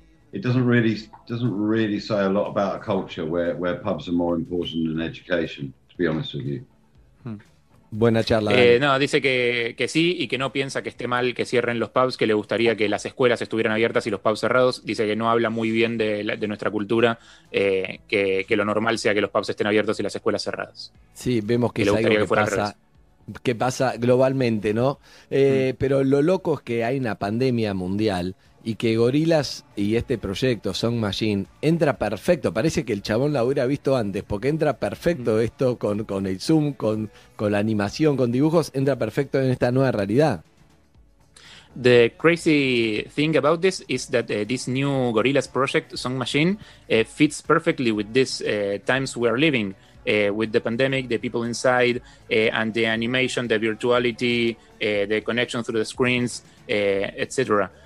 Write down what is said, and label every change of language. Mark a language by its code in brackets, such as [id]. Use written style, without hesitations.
[en] It doesn't really say a lot about a culture where pubs are more important than education, to be honest with you. [es] Buena charla. No, dice que sí y que no piensa que esté mal que cierren los pubs, que le gustaría que las escuelas estuvieran abiertas y los pubs cerrados. Dice que no habla muy bien de nuestra cultura, que lo normal sea que los pubs estén abiertos y las escuelas cerradas. Sí, vemos que es algo que pasa. Que pasa globalmente, ¿no? Pero lo loco es que hay una pandemia mundial y que Gorillaz y este proyecto, Song Machine, entra perfecto. Parece que el chabón la hubiera visto antes, porque entra perfecto esto con el Zoom, con la animación, con dibujos, entra perfecto en esta nueva realidad. [en] The crazy thing about this is that this new Gorillaz project, Song Machine, fits perfectly with these times we are living. With the pandemic, the people inside, and the animation, the virtuality, the connection through the screens, etc.